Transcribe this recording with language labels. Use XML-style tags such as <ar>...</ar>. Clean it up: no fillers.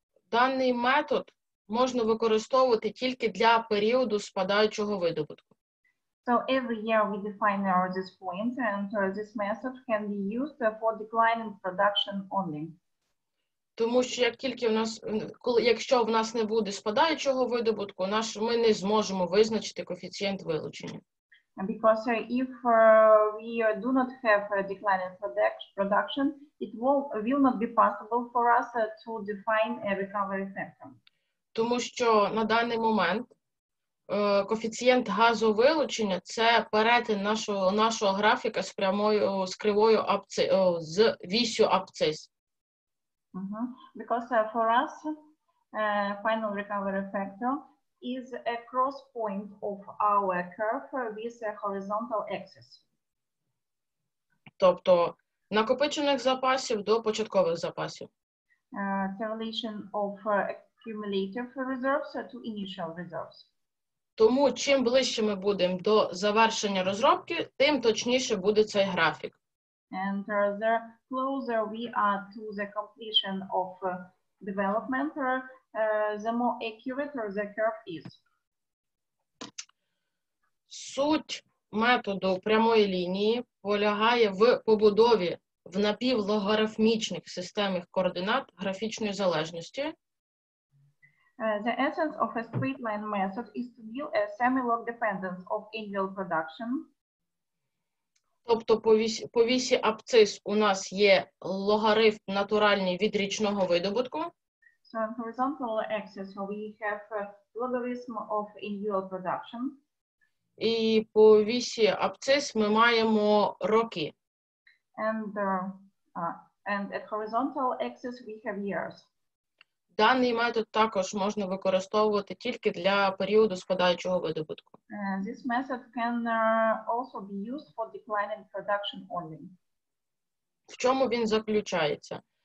<uk>Даний метод можна використовувати тільки для періоду спадаючого видобутку.</uk> <en>So every year we define our this point and this method can be used for declining production only.</en> <uk>Тому що як тільки якщо в нас не буде спадаючого видобутку, ми не зможемо визначити коефіцієнт вилучення.</uk> <en>Because if we do not have a declining production, it will not be possible for us to define a recovery factor.</en> <uk>Тому що на даний момент коефіцієнт газовилучення – це перетин нашого графіка з прямою, з кривою з вісю абцис.</uk> <en>Because for us, final recovery factor is a cross point of our curve with a horizontal axis.</en> <uk>Тобто накопичених запасів до початкових запасів.</uk> <en>The relation of cumulative reserves to initial reserves.</en> <uk>Тому чим ближче ми будемо до завершення розробки, тим точніше буде цей графік.</uk> <en>And the closer we are to the completion of development, the more accurate the curve is.</en> <uk>Суть методу прямої лінії полягає в побудові в напівлогарифмічних системах координат графічної залежності.</uk> <en>The essence of a straight line method is to view a semi-log dependence of angle production.</en> <uk>Тобто по вісі абцис у нас є логарифм натуральний від річного видобутку.</uk> <en>So on horizontal axis we have logarithm of annual production.</en> <uk>І по вісі абцис ми маємо роки.</uk> <en>And at horizontal axis we have years.</en> <uk>Даний метод також можна використовувати тільки для періоду спадаючого видобутку.</uk> <en>This method can also be used for declining production only.</en> <uk>В чому він заключається?</uk>